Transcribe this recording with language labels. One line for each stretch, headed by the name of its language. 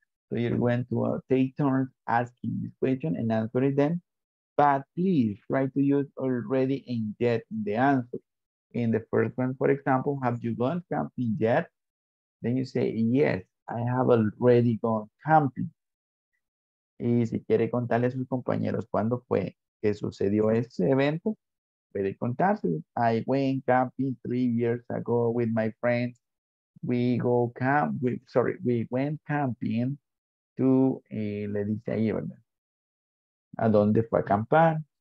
English: So you're going to take turns asking this question and answering them. But please try to use already and yet in the answer. In the first one, for example, have you gone camping yet? Then you say, yes, I have already gone camping.
Spanish: Y si quiere contarle a sus compañeros cuándo fue que sucedió ese evento, puede contarse.
English: I went camping 3 years ago with my friends. We went camping.
Spanish: Le dice ahí, ¿verdad? ¿A dónde fue a acampar?